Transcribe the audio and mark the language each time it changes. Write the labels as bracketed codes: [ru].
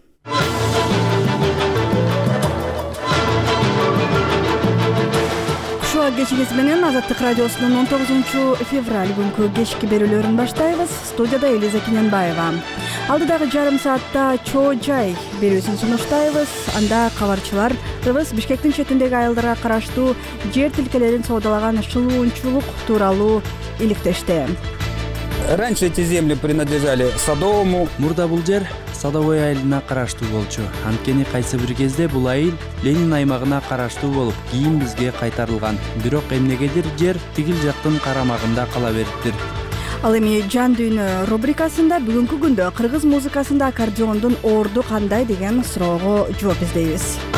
[ky] Кушуга кечиңиз менен Азаттык радиосунун 19 февраль күнкү кечки берүүлөрүн баштайбыз. Студияда Элиза Кененбаева. Алдыдагы жарым саатта чоо жай берүүсүн сунуштайбыз. Анда кабарчылар кыргыз Бишкектин четиндеги айылдарга караштуу жер тилкелерин соодалаган шылуунчулук тууралуу иликтеште. [ru] Раньше эти земли принадлежали садовому. [ky] Мурда бул жер садовой айылына караштуу болчу. Анткени кайсы бир кезде бул айыл Ленин аймагына караштуу болуп, кийин бизге кайтарылган. Бирок эмнегедир жер тигил жактын карамагында кала бериптир. Ал эми жан дүйнө рубрикасында бүгүнкү күндө кыргыз музыкасында аккордеондун орду кандай деген суроого жооп издейбиз.